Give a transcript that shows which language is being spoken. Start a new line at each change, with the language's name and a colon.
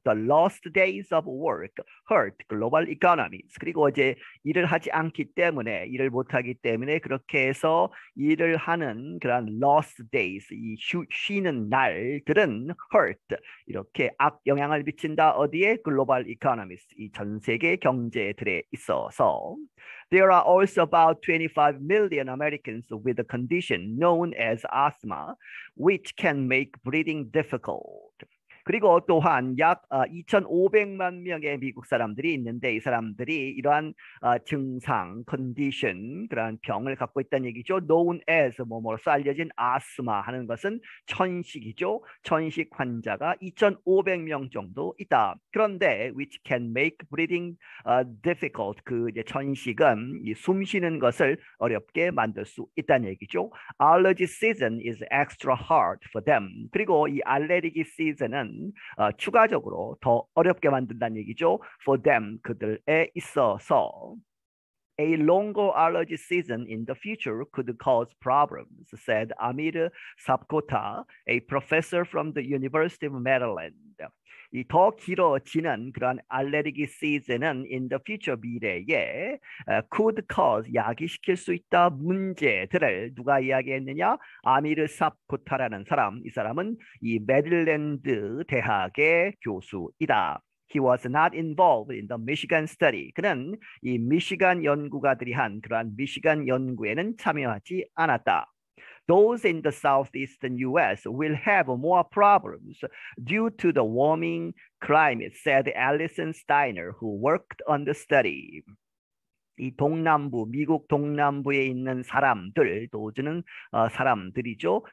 English: The lost days of work hurt global economies.
Korean: 그리고 이제 일을 하지 않기 때문에, 일을 못하기 때문에 그렇게 해서 일을 하는 그런
English: lost days,
Korean: 이 쉬는 날들은 hurt, 이렇게 악영향을 미친다. 어디에?
English: Global economies,
Korean: 이전 세계 경제들에 있어서.
English: There are also about 25 million Americans with a condition known as asthma, which can make breathing difficult.
Korean: 그리고 또한 약 2,500만 명의 미국 사람들이 있는데, 이 사람들이 이러한 증상, condition, 그러한 병을 갖고 있다는 얘기죠.
English: known as
Korean: 뭐뭐로서 알려진 아스마 하는 것은 천식이죠. 천식 환자가 2,500명 정도 있다. 그런데
English: which can make breathing difficult,
Korean: 그 이제 천식은 이숨 쉬는 것을 어렵게 만들 수 있다는 얘기죠. Allergy season is extra hard for them. 그리고 이 알레르기 시즌은 추가적으로 더 어렵게 만든다는 얘기죠.
English: For them,
Korean: 그들에 있어서.
English: A longer allergy season in the future could cause problems, said Amir Sapkota, a professor from the University of Maryland.
Korean: 이더 길어지는 그런 알레르기 시즌은
English: in the future
Korean: 미래에
English: could cause
Korean: 야기시킬 수 있다 문제들을 누가 이야기했느냐? 아미르 삽코타라는 사람. 이 사람은 이 메릴랜드 대학의 교수이다.
English: He was not involved in the Michigan study.
Korean: 그는 이 미시간 연구가들이 한 그러한 미시간 연구에는 참여하지 않았다.
English: Those in the southeastern US will have more problems due to the warming climate, said Allison Steiner, who worked on the study.
Korean: 이 동남부, 미국 동남부에 있는 사람들, 도주는 사람들이죠.